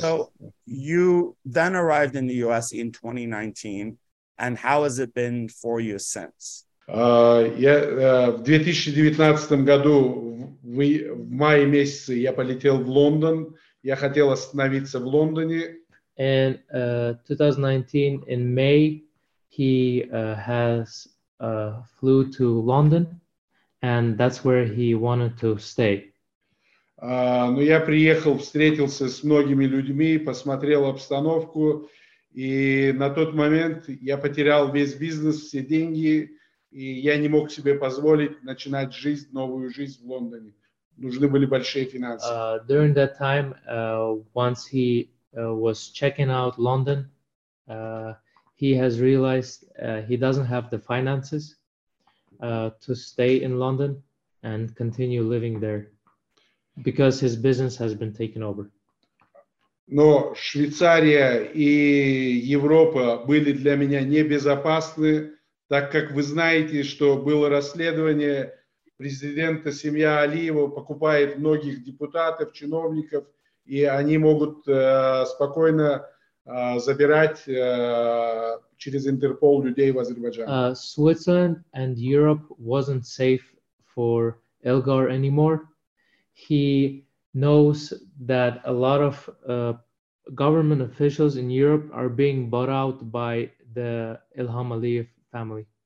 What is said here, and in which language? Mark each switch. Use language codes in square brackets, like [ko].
[en] So you then arrived in the U.S. in 2019, and how has it been for you since? [ru] В 2019 году в мае месяце я полетел в Лондон. Я хотел остановиться в Лондоне. [en] And 2019 in May he has flew to London, and that's where he wanted to stay. [ru] Но я приехал, встретился с многими людьми, посмотрел обстановку, и на тот момент я потерял весь бизнес, все деньги. И я не мог себе позволить начинать жизнь, новую жизнь в Лондоне. Нужны были большие финансы. [en] During that time, once he was checking out London, he has realized he doesn't have the finances to stay in London and continue living there because his business has been taken over. [ru] Но Швейцария и Европа были для меня небезопасны, так как вы знаете, что было расследование президента, семья Алиева покупает многих депутатов, чиновников, и они могут спокойно забирать через Интерпол людей в Азербайджан. [en] Switzerland and Europe wasn't safe for Ilgar anymore. He knows that a lot of government officials in Europe are being bought out by the Ilham Aliyev family.